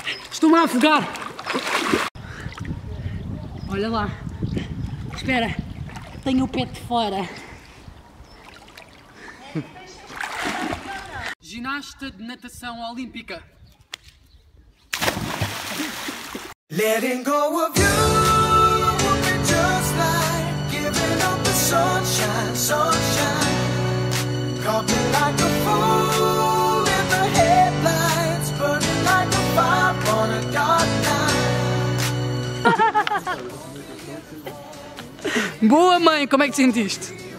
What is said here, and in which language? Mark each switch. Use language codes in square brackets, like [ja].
[pt] Estou-me a afogar. Olha lá. Espera. Tenho o pé de fora. Ginasta de natação olímpica. [en] Letting go of you would be just like giving up the sunshine, sunshine. Caught me like a fool in the headlights, burning like a fire on a dark night. [pt] Boa, mãe, como é que te sentiste?